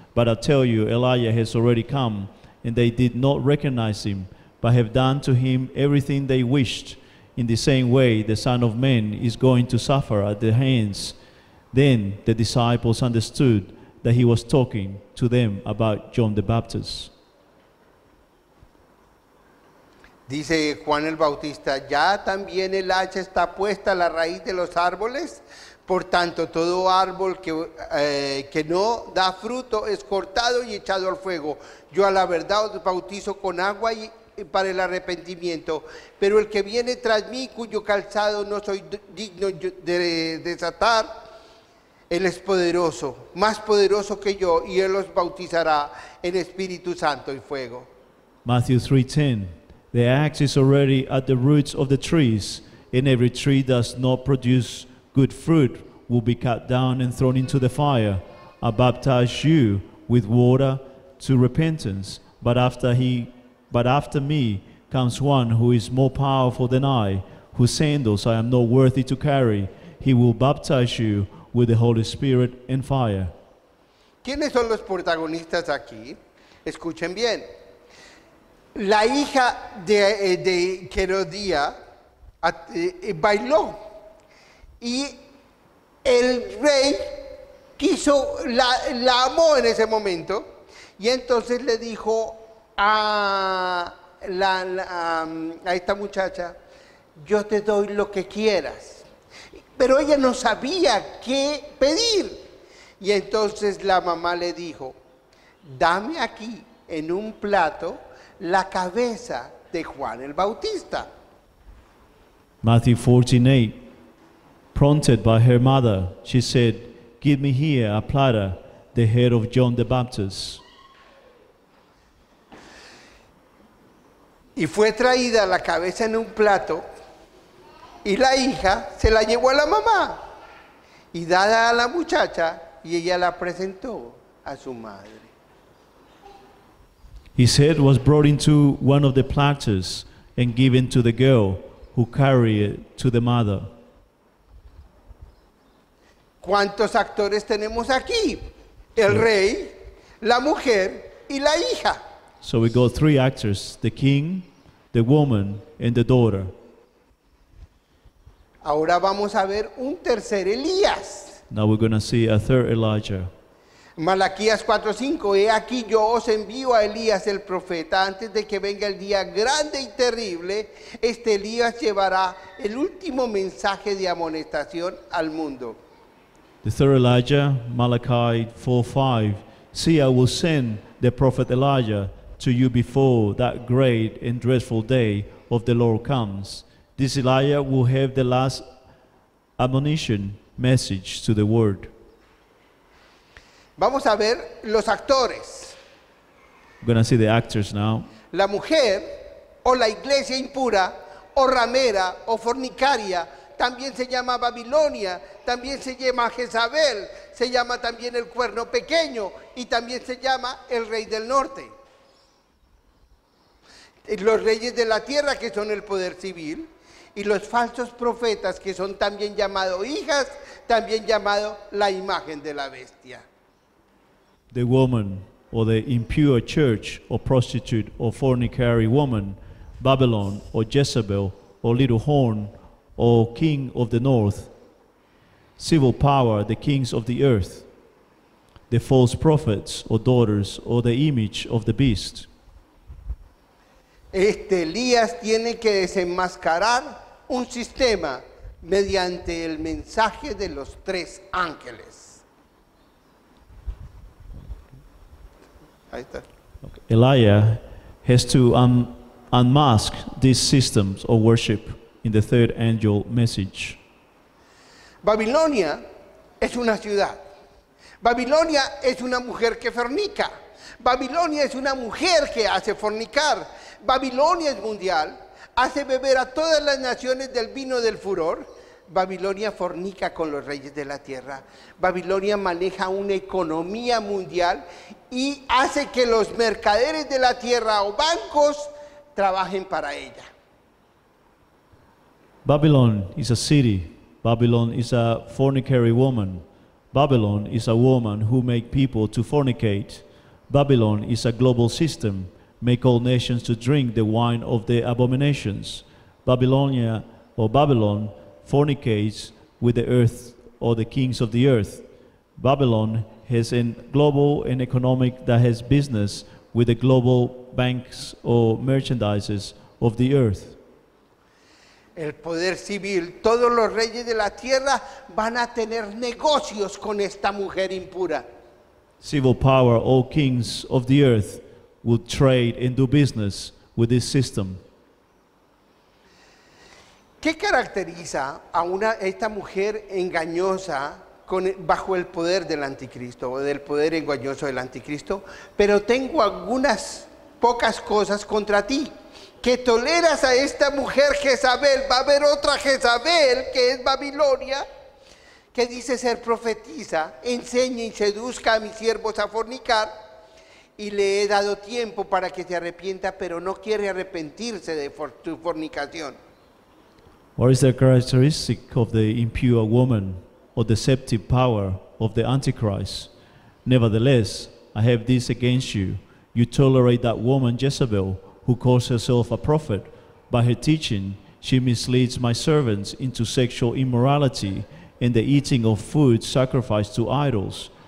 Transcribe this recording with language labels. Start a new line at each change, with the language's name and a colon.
English: But I tell you, Elijah has already come, and they did not recognize him, but have done to him everything they wished. In the same way, the Son of Man is going to suffer at their hands. Then the disciples understood that he was talking to them about John the Baptist.
Spanish: Dice Juan el Bautista, ya también el hacha está puesta a la raíz de los árboles, por tanto todo árbol que no da fruto es cortado y echado al fuego. Yo a la verdad os bautizo con agua y para el arrepentimiento, pero el que viene tras mí, cuyo calzado no soy digno de desatar, él es poderoso, más poderoso que yo, y él los bautizará en Espíritu Santo y fuego.
English: Matthew 3:10. The axe is already at the roots of the trees, and every tree that does not produce good fruit will be cut down and thrown into the fire. I baptize you with water to repentance, but after me comes one who is more powerful than I, whose sandals I am not worthy to carry. He will baptize you with the Holy Spirit and fire.
Spanish: ¿Quiénes son los protagonistas aquí? Escuchen bien. La hija de Herodía bailó y el rey quiso, la amó en ese momento, y entonces le dijo a a esta muchacha: yo te doy lo que quieras. Pero ella no sabía qué pedir, y entonces la mamá le dijo: dame aquí en un plato la cabeza de Juan el Bautista.
English: Matthew 14:8. Prompted by her mother, she said, give me here a platter, the head of John the Baptist.
Spanish: Y fue traída la cabeza en un plato, y la hija se la llevó a la mamá, y dada a la muchacha, y ella la presentó a su madre.
English: His head was brought into one of the platters and given to the girl, who carried it to the mother.
Spanish: ¿Cuántos actores tenemos aquí? El rey, la mujer y la hija.
English: So we got three actors: the king, the woman, and the daughter.
Spanish: Ahora vamos a ver un tercer Elías.
English: Now we're going to see a third Elijah.
Spanish: Malaquías 4:5, he aquí yo os envío a Elías el profeta antes de que venga el día grande y terrible. Este Elías llevará el último mensaje de amonestación al mundo.
English: The third Elijah, Malachi 4:5, see, I will send the prophet Elijah to you before that great and dreadful day of the Lord comes. This Elijah will have the last admonition message to the world.
Spanish: Vamos a ver los actores.
English: We're going to see the actors now.
Spanish: La mujer, o la iglesia impura, o ramera, o fornicaria, también se llama Babilonia, también se llama Jezabel, se llama también el cuerno pequeño, y también se llama el rey del norte. Los reyes de la tierra, que son el poder civil, y los falsos profetas, que son también llamados hijas, también llamado la imagen de la bestia.
English: The woman, or the impure church, or prostitute, or fornicary woman, Babylon, or Jezebel, or little horn, or king of the north, civil power, the kings of the earth, the false prophets, or daughters, or the image of the beast.
Spanish: Este Elías tiene que desenmascarar un sistema mediante el mensaje de los tres ángeles.
English: Okay. Elijah has to unmask these systems of worship in the third angel message.
Spanish: Babilonia es una ciudad. Babilonia es una mujer que fornica. Babilonia es una mujer que hace fornicar. Babilonia es mundial. Hace beber a todas las naciones del vino del furor. Babilonia fornica con los reyes de la tierra. Babilonia maneja una economía mundial y hace que los mercaderes de la tierra o bancos trabajen para ella.
English: Babylon is a city. Babylon is a fornicary woman. Babylon is a woman who make people to fornicate. Babylon is a global system, make all nations to drink the wine of the abominations. Babylonia, or Babylon, fornicates with the earth or the kings of the earth. Babylon has a global and economic that has business with the global banks or merchandises of the earth.
Spanish: El poder civil, todos los reyes de la tierra van a tener negocios con esta mujer impura.
English: Civil power, all kings of the earth will trade and do business with this system.
Spanish: ¿Qué caracteriza a una esta mujer engañosa con bajo el poder del anticristo o del poder engañoso del anticristo? Pero tengo algunas pocas cosas contra ti. Que toleras a esta mujer Jezabel, va a haber otra Jezabel que es Babilonia, que dice ser profetisa, enseña y seduzca a mis siervos a fornicar, y le he dado tiempo para que se arrepienta, pero no quiere arrepentirse de su fornicación.
English: What is the characteristic of the impure woman or deceptive power of the Antichrist? Nevertheless, I have this against you. You tolerate that woman Jezebel, who calls herself a prophet. By her teaching, she misleads my servants into sexual immorality and the eating of food sacrificed to idols.